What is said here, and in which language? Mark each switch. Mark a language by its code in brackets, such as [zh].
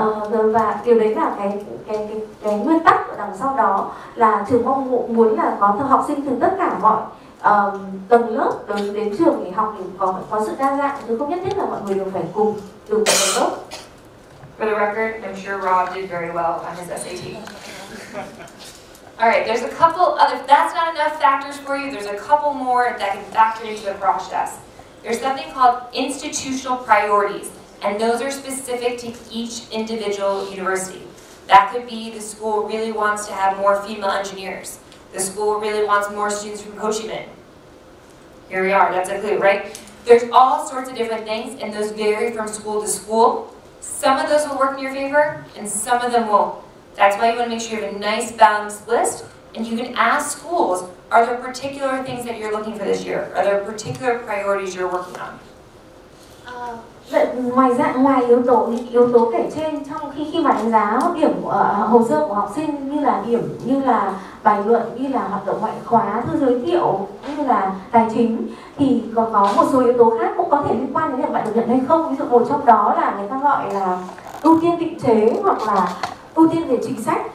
[vi] Và điều đấy là cái nguyên tắc ở đằng sau đó là trường mong muốn là có học sinh từ tất cả mọi tầng lớp đến trường để học, để có sự đa dạng chứ không nhất thiết là mọi người đều phải cùng từ một tầng lớp. [en] For the record, I'm sure Rob did very well on his SAT. All right, there's a couple other, if that's not enough factors for you, there's a couple more that can factor into the process. There's something called institutional priorities, and those are specific to each individual university. That could be the school really wants to have more female engineers. The school really wants more students from Ho Chi Minh. Here we are, that's a clue, right? There's all sorts of different things, and those vary from school to school. Some of those will work in your favor, and some of them won't. That's why you want to make sure you have a nice balanced list, and you can ask schools, are there particular things that you're looking for this year? Are there particular priorities you're working on? [vi] Ngoài ra, ngoài yếu tố kể trên, trong khi mà đánh giá điểm hồ sơ của học sinh như là điểm, như là bài luận, như là hoạt động ngoại khóa, thư giới thiệu, như là tài chính, thì còn có một số yếu tố khác cũng có thể liên quan đến việc bạn được nhận hay không. Ví dụ một trong đó là người ta gọi là ưu tiên định chế hoặc là ưu tiên về chính sách.